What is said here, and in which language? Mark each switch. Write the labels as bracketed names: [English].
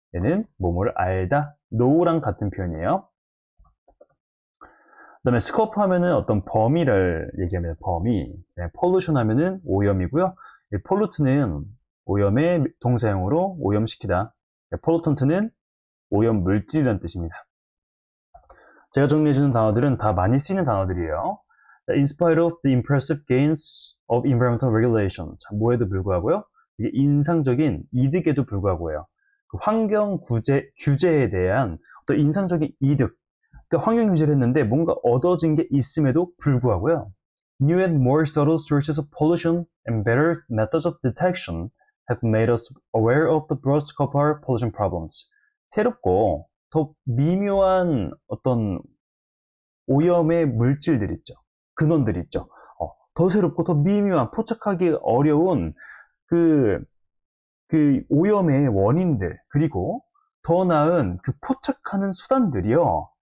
[Korean] 얘는 뭐뭐를 알다. know랑 같은 표현이에요. 그 다음에 scope 하면은 어떤 범위를 얘기합니다. 범위. pollution 하면은 오염이고요. pollute는 오염의 동사형으로 오염시키다. pollutant는 오염물질이라는 뜻입니다. 제가 정리해주는 단어들은 다 많이 쓰이는 단어들이에요. [English] In spite of the impressive gains of environmental regulation. [Korean] 자, 뭐에도 불구하고요. 이게 인상적인 이득에도 불구하고요. 그 환경 규제에 대한 어떤 인상적인 이득. 그러니까 환경 규제를 했는데 뭔가 얻어진 게 있음에도 불구하고요. [English] New and more subtle sources of pollution and better methods of detection have made us aware of the broad scope of our pollution problems. [Korean] 새롭고 더 미묘한 어떤 오염의 물질들 있죠. 근원들 있죠. 더 새롭고 더 미묘한 포착하기 어려운 그 오염의 원인들 그리고 더 나은 그 포착하는 수단들이요.